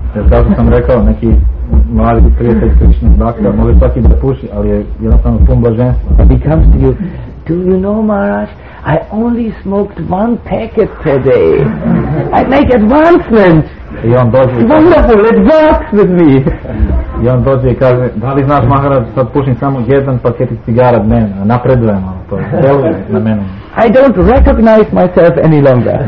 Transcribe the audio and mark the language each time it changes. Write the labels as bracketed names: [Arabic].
[Serbian] Jer kao što sam rekao, neki mladi prijatelj Krishna bhakta može čak i da puši, ali je jednostavno pun blaženstva. [English] He comes to you, do you know Maharaj, I only smoked one packet per day. I make advancement. [Serbian] I on dođe. [English] Wonderful, it works with me. [Serbian] I on dođe i kaže, da li znaš Maharaj, sad pušim samo jedan paket cigara dnevno, napredujem ono to, deluje na mene. [English] I don't recognize myself any longer.